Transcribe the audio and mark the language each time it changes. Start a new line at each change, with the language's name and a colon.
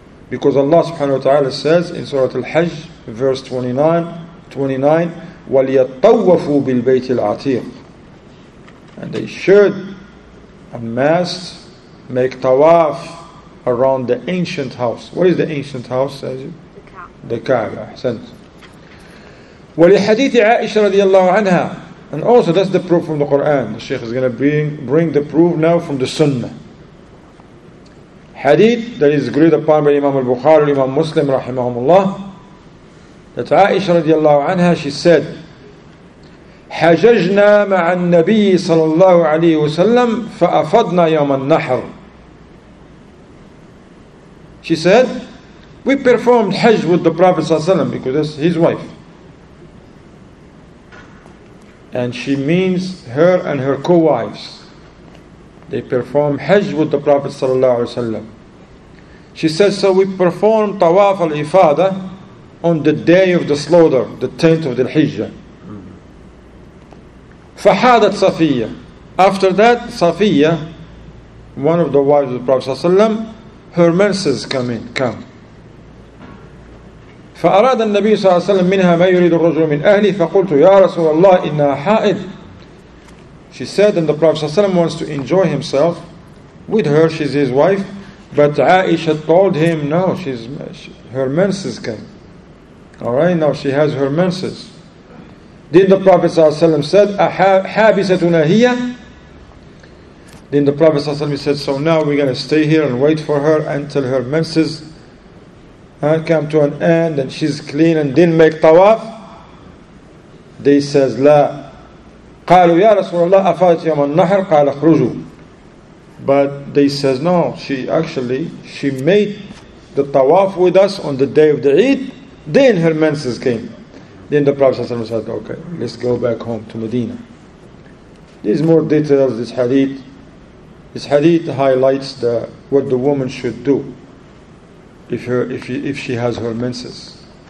English: Because Allah subhanahu wa ta'ala says in Surah Al-Hajj, verse 29,
Arabic: وَلْيَطَّوَّفُوا بِالْبَيْتِ الْعَتِيقِ.
English: And they should and must make Tawaf around the ancient house. What is the ancient house, says you? The Kaaba. The Kaaba.
Arabic: ولحديث عائشة رضي الله عنها.
English: And also that's the proof from the Quran. The Sheikh is going to bring the proof now from the Sunnah. Hadith that is agreed upon by Imam al-Bukhari and Imam Muslim rahimahumullah, that عائشة
Arabic: رضي الله عنها,
English: she said,
Arabic: حججنا مع النبي صلى الله عليه وسلم فأفضنا يوم النحر.
English: She said, we performed Hajj with the Prophet
Arabic: صلى الله عليه وسلم,
English: because that's his wife. And she means her and her co-wives. They perform Hajj with the Prophet sallallahu alaihi wasallam. She says, so we perform Tawaf al-Ifada on the day of the slaughter, the 10th of the Hijjah. Fahadat Safiya. After that, Safiya, one of the wives of the Prophet sallallahu alaihi wasallam, her menses come.
Arabic: فأراد النبي صلى الله عليه وسلم منها ما يريد الرجل من أهلي فقلت يا رسول الله إنها حائض.
English: She said, and the Prophet
Arabic: صلى الله عليه وسلم
English: wants to enjoy himself with her, she's his wife, but Aisha told him, no, her menses came. All right, now she has her menses. Then the Prophet
Arabic: صلى الله عليه وسلم
English: said,
Arabic: أحابستنا هي.
English: Then the Prophet
Arabic: صلى الله عليه وسلم
English: said, so now we're going to stay here and wait for her until her menses and come to an end and she's clean and didn't make tawaf. They says,
Arabic: لا. قالوا يا رسول الله أفادت يوم النحر قال خرجوا.
English: But they says, no, she made the tawaf with us on the day of the Eid, Then her menses came. Then the Prophet ﷺ said, okay, let's go back home to Medina. There's more details, this hadith. This hadith highlights the what the woman should do if she has her menses.